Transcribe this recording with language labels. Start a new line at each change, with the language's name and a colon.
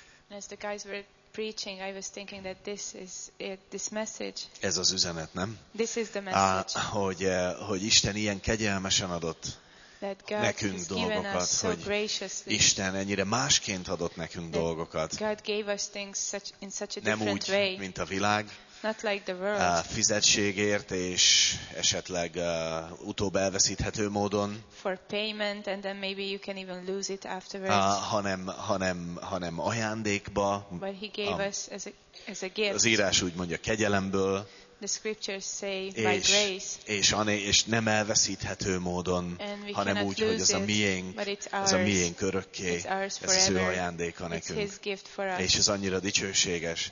English: As the guys were preaching, I was thinking that this is it, this message.
Hungarian: Ez az üzenet, nem?
English: This is the message.
Hungarian: Hogy Isten ilyen kegyelmesen adott nekünk dolgokat, hogy Isten ennyire másként adott nekünk dolgokat.
English: God gave us things such, in such a
Hungarian: nem úgy,
English: way.
Hungarian: Mint a világ.
English: Not like the world.
Hungarian: Fizetségért és esetleg utóbb elveszíthető módon.
English: For payment and then maybe you can even lose it afterwards.
Hungarian: Hanem ajándékba.
English: But he gave us as a gift.
Hungarian: Az írás úgy mondja, kegyelemből.
English: The scriptures say by grace.
Hungarian: És nem elveszíthető módon, hanem úgy, hogy ez a miénk, ez a miénk örökké, ez az ő ajándéka nekünk.
English: It's his gift for us.
Hungarian: És ez annyira dicsőséges.